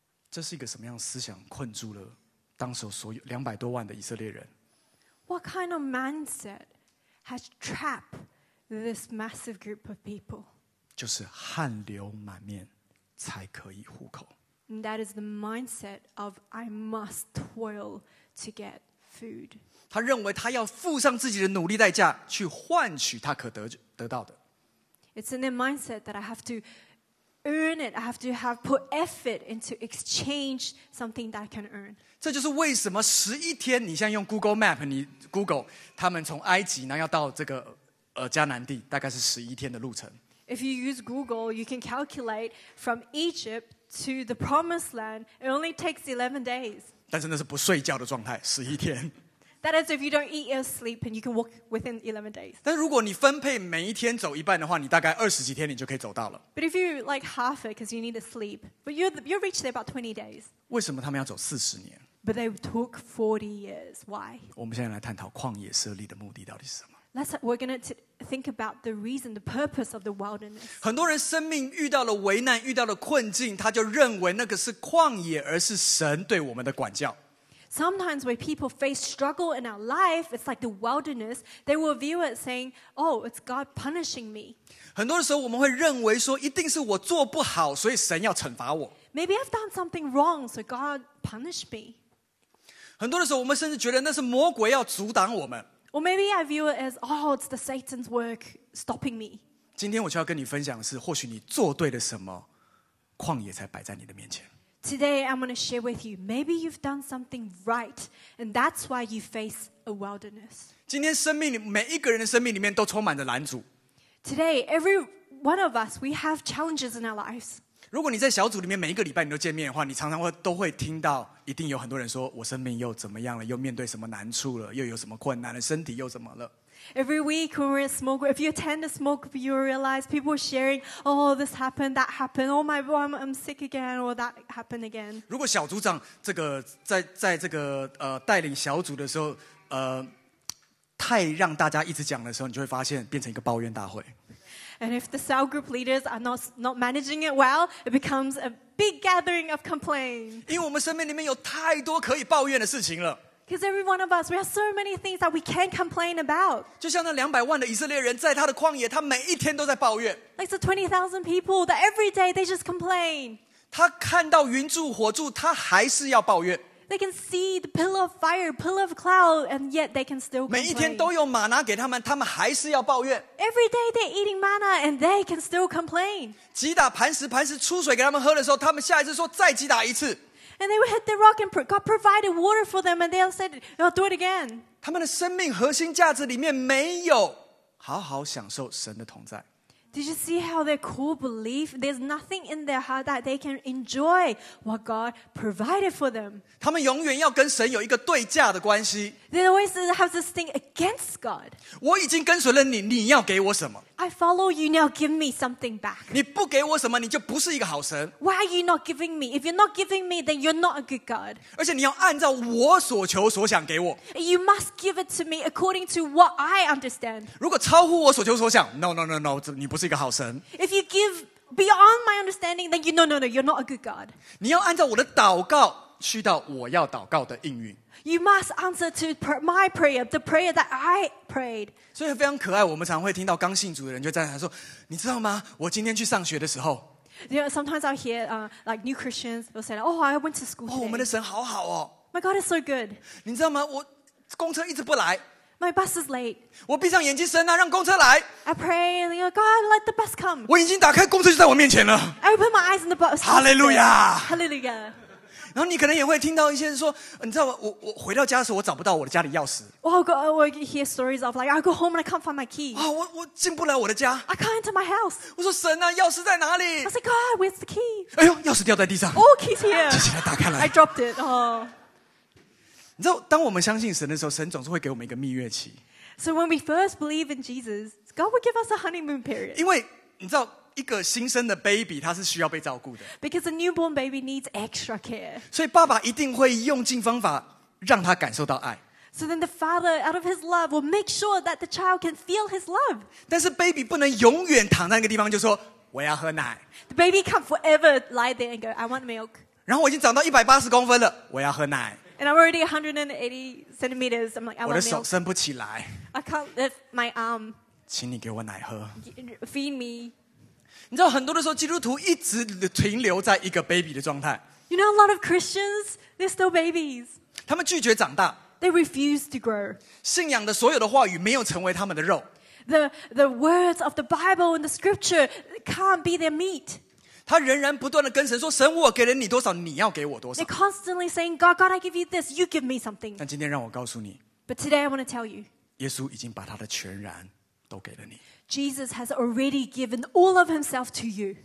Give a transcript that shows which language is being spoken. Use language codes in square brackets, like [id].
[zh] 这是一个什么样的思想困住了当时所有两百多万的以色列人？ [en] What kind of mindset has trapped this massive group of people? [zh] 就是汗流满面才可以糊口。 [en] And that is the mindset of I must toil to get food. [zh] 他认为他要付上自己的努力代价去换取他可 得到的。 [en] It's in their mindset that I have to earn it. I have to have put effort into exchange something that I can earn. [zh] 这就是为什么十一天，你像用 Google Map， 你 Google 他们从埃及然后要到这个迦南地，大概是十一天的路程。 [en] If you use Google, you can calculate from Egypt to the Promised Land. It only takes 11 days. [zh] 但是那是不睡觉的状态，十一天。 [en] That is if you don't eat or sleep, and you can walk within 11 days. [zh] 但如果你分配每一天走一半的话，你大概二十几天你就可以走到了。 [en] But if you like half it because you need to sleep, but you reach there about 20 days. [zh] 为什么他们要走四十年 [en] ？But they took 40 years. Why? [zh] 我们现在来探讨旷野设立的目的到底是什么。 [en] We're going to think about the reason, the purpose of the wilderness. [zh] 很多人生命遇到了危难，遇到了困境，他就认为那个是旷野，而是神对我们的管教。 [en] Sometimes when people face struggle in our life, it's like the wilderness. They will view it saying, "Oh, it's God punishing me." [zh] 很多时候我们会认为说，一定是我做不好，所以神要惩罚我。 [en] Maybe I've done something wrong, so God punished me. [zh] 很多的时候，我们甚至觉得那是魔鬼要阻挡我们。 [en] Or maybe I view it as, oh, it's the Satan's work stopping me. [zh] 今天我就要跟你分享的是，或许你做对了什么，旷野才摆在你的面前。 [en] Today I'm going to share with you, maybe you've done something right, and that's why you face a wilderness. [zh] 今天生命里每一个人的生命里面都充满着拦阻。 [en] Today every one of us, we have challenges in our lives. [zh] 如果你在小组里面每一个礼拜你都见面的话，你常常都会听到。一定有很多人说我生命又怎么样了，又面对什么难处了，又有什么困难了，身体又怎么了。 [en] Every week when we're in a small group, if you attend a small group, you realize people sharing, oh, this happened, that happened, oh my, I'm sick again, or that happened again. [zh] 如果小组长这个在这个带领小组的时候，太让大家一直讲的时候，你就会发现变成一个抱怨大会。 [en] And if the cell group leaders are not managing it well, it becomes aBig gathering of complaints. [zh] 因为我们生命里面有太多可以抱怨的事情了。 [en] Because every one of us, we have so many things that we can complain about. [zh] 就像那两百万的以色列人，在他的旷野，他每一天都在抱怨。 [en] Like the 20,000 people, that every day they just complain. [zh] 他看到云柱火柱，他还是要抱怨。 [en] They can see the pillar of fire, pillar of cloud, and yet they can still complain. [zh] 每一天都有玛拿给他们，他们还是要抱怨。 [en] Every day they're eating manna, and they can still complain. [zh] 击打磐石，磐石出水给他们喝的时候，他们下一次说再击打一次。 [en] And they would hit the rock, and God provided water for them, and they all said, "I'll do it again." [zh] 他们的生命核心价值里面没有好好享受神的同在。 [en] Did you see how their core belief? There's nothing in their heart that they can enjoy what God provided for them. [zh] 他们永远要跟神有一个对价的关系。 [en] They always have this thing against God. [zh] 我已经跟随了你，你要给我什么？ [en] I follow you, now give me something back. [zh] 你不给我什么，你就不是一个好神。 [en] Why are you not giving me? If you're not giving me, then you're not a good God. [zh] 而且你要按照我所求所想给我。 [en] You must give it to me according to what I understand. [zh] 如果超乎我所求所想 ， [en] No, [zh] 你不是一个好神。 [en] If you give beyond my understanding, then you no, you're not a good God. [zh] 你要按照我的祷告去到我要祷告的应允。 [en] You must answer to my prayer, the prayer that I prayed. [zh] 所以非常可爱，我们常会听到刚信主的人就在那说，你知道吗？我今天去上学的时候 [en] ，You know, sometimes I hear like new Christians will say, "Oh, I went to school." Today. [zh] 哦，我们的神好好哦。 [en] My God is so good. [zh] 你知道吗？我公车一直不来。 [en] My bus is late. [zh] 我闭上眼睛，神啊，让公车来。 [en] I pray, God, let the bus come. [zh] 我眼睛打开，公车就在我面前了。 [en] I open my eyes, and the bus. Hallelujah. Hallelujah. [zh] 然后你可能也会听到一些人说，你知道吗？我回到家的时候，我找不到我的家里钥匙。 [en] Oh, God, we hear stories of like I go home and I can't find my key. [zh] 啊、oh, ，我进不来我的家。 [en] I can't enter my house. [zh] 我说神啊，钥匙在哪里 [en] ？I say God, where's the key? [zh] 哎呦，钥匙掉在地上。 [en] Oh, key's here. [zh] 接下来打开了。 [en] I dropped it. Oh. [zh] 你知道，当我们相信神的时候，神总是会给我们一个蜜月期。 [en] So when we first believe in Jesus, God will give us a honeymoon period. [zh] 因为你知道。一个新生的 baby 他是需要被照顾的 [en] Because a newborn baby needs extra care [zh] 所以爸爸一定会用尽方法让他感受到爱 [en] So then the father out of his love will make sure that the child can feel his love [zh] 但是 baby 不能永远躺在那个地方就说我要喝奶 [en] The baby can't forever lie there and go I want milk [zh] 然后我已经长到180公分了我要喝奶 [en] And I'm already 180 centimeters I'm like I want milk [zh] 我的手伸不起来 [en] I can't lift my arm [zh] 请你给我奶喝 [en] Feed me [zh] 你知道很多的时候基督徒一直停留在一个 baby 的状态 [en] You know a lot of Christians They're still babies [zh] 他们拒绝长大 [en] They refuse to grow [zh] 信仰的所有的话语没有成为他们的肉 [en] The words of the Bible and the scripture Can't be their meat [zh] 他仍然不断地跟神说神我给了你多少你要给我多少 [en] They're constantly saying God I give you this You give me something [zh] 但今天让我告诉你 [en] But today I want to tell you [zh] 耶稣已经把他的全然都给了你 [en] Jesus has already given all of himself to you.